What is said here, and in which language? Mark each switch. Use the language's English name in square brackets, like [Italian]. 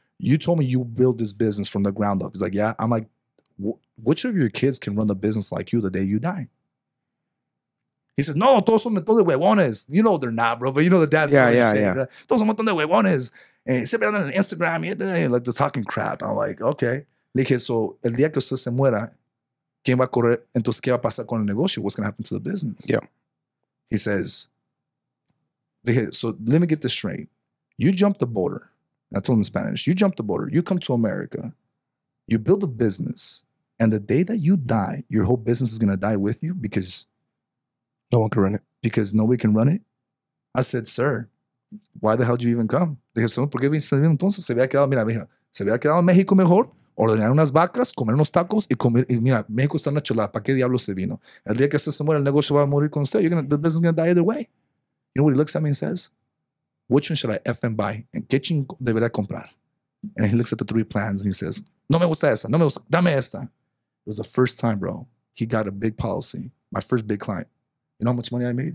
[English] You told me you build this business from the ground up. He's like, yeah. I'm like, which of your kids can run the business like you the day you die? He says, [Spanish] no, todos son de huevones. [English] You know they're not, bro, but you know the dad's. Yeah. [Spanish] Todos son de huevones. [English] And he said, on Instagram, like the talking crap. I'm like, okay. [Spanish] Le dije, so el día que usted se muera, ¿quién va a correr? Entonces, ¿qué va a pasar con el negocio? [English] What's going to happen to the business? Yeah. He says, so let me get this straight. You jump the border. I told him in Spanish. You jump the border. You come to America. You build a business. And the day that you die, your whole business is going to die with you because no one can run it. Because nobody can run it. I said, sir, why the hell did you even come? [Spanish] Dije, señor, ¿por qué viniste a mí entonces? Se había quedado, mira, mija, se había quedado en México mejor, ordenar unas vacas, comer unos tacos y comer, y mira, México está una chulada, ¿para qué diablos se vino? El día que usted se muera, el negocio va a morir con usted, [English] the business is going to die either way. You know what he looks at me and says? Which one should I F and buy? And [Spanish] qué chingo debería comprar? [English] And he looks at the three plans and he says, [Spanish] no me gusta esa, no me gusta, dame esta. [English] It was the first time, bro, he got a big policy, my first big client. You know how much money I made?